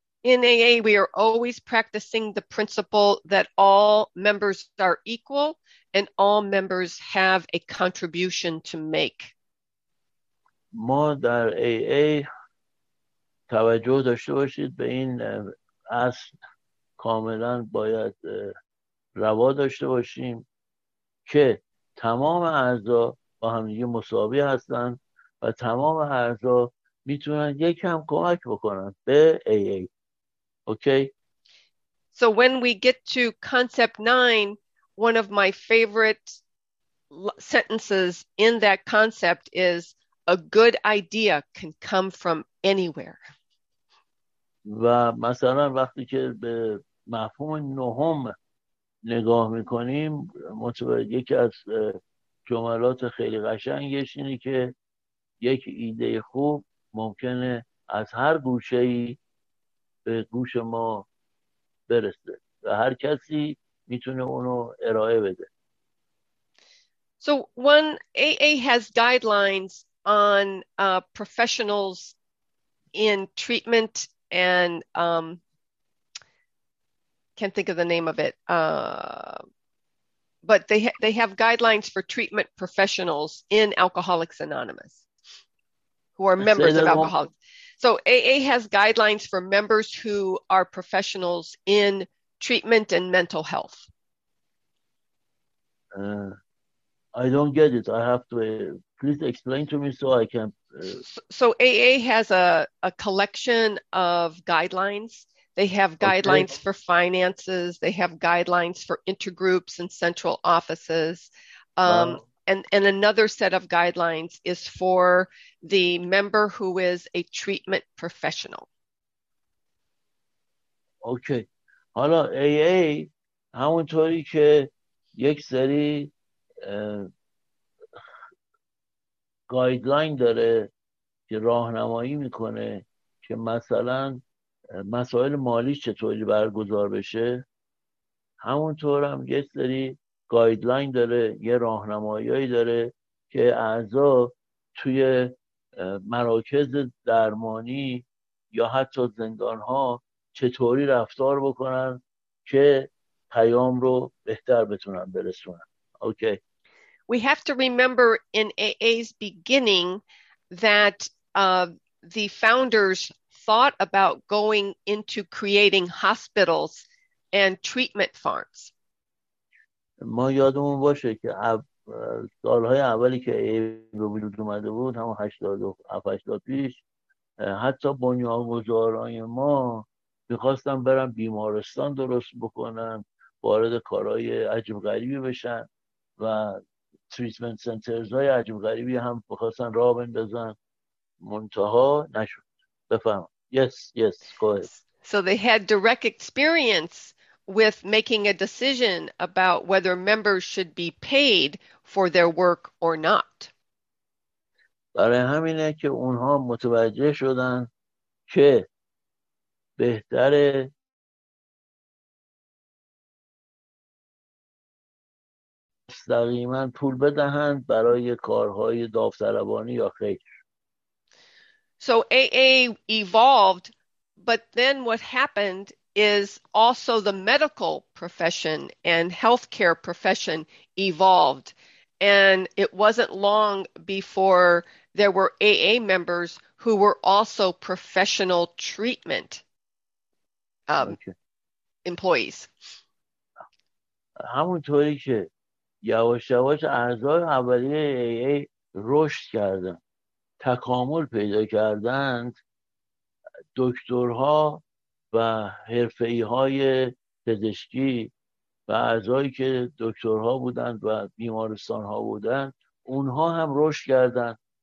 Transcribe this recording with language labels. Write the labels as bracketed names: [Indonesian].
[English] In AA, we are always practicing the principle that all members are equal and all members have a contribution to make. [Persian] ما در AA توجه داشته باشید به این اصل کاملا باید روا داشته باشیم که تمام اعضا با همدیگه مساوی هستند و تمام اعضا میتونن یکم کمک بکنن به AA. Okay. [English] So when we get to concept 9, one of my favorite sentences in that concept is a good idea can come from anywhere. [Persian] و مثلا وقتی که به مفهوم نهم نگاه میکنیم متوجه یکی از جملات خیلی قشنگش اینه که یک ایده خوب ممکنه از هر گوشه‌ای به گوش ما برسه و هر کسی میتونه اونو ارائه بده. [English] So when AA has guidelines on professionals in treatment and can't think of the name of it, but they have guidelines for treatment professionals in Alcoholics Anonymous who are members of Alcoholics. So AA has guidelines for members who are professionals in treatment and mental health. I don't get it. I have to please explain to me so I can. So AA has a collection of guidelines. They have guidelines for finances. They have guidelines for intergroups and central offices. And another set of guidelines is for the member who is a treatment professional. Okay. [Persian] حالا AA همونطوری که یک سری گایدلاین داره که راهنمایی میکنه که مثلا مسائل مالی چطوری برگزار بشه، همونطور هم یک سری گایدلاین داره، یه راهنمایی داره که اعضا توی مراکز درمانی یا حتی زندان ها چطوری رفتار بکنن که پیام رو بهتر بتونن برسونن. اوکی. [English] We have to remember in AA's beginning that the founders thought about going into creating hospitals and treatment farms. [Persian] ما یادمون باشه که سالهای اولی که AA به وجود اومده بود، همون 87-80 پیش، حتی بنیانگذاران ما میخواستن برن بیمارستان درست بکنن، وارد کارهای عجب غریبی بشن و تریتمنت سنترز های عجب غریبی هم بخواستن راه بندازن، منتها نشد. بفهمم. [English] Yes, go ahead. So they had direct experience with making a decision about whether members should be paid for their work or not. [Persian] برای همینه که اونها متوجه شدن که بهتره مستقیما پول بدهند برای کارهای داوطلبانه یا خیر. [English] So AA evolved, but then what happened is also the medical profession and healthcare profession evolved, and it wasn't long before there were AA members who were also professional treatment employees. [Persian] همونطوری که یواش یواش اعضای اولیه AA رشد کردند، تکامل پیدا کردند، دکترها و حرفه‌ای‌های پزشکی و اعضایی که دکترها بودند و بیمارستان‌ها بودند، اونها هم رشد کردند،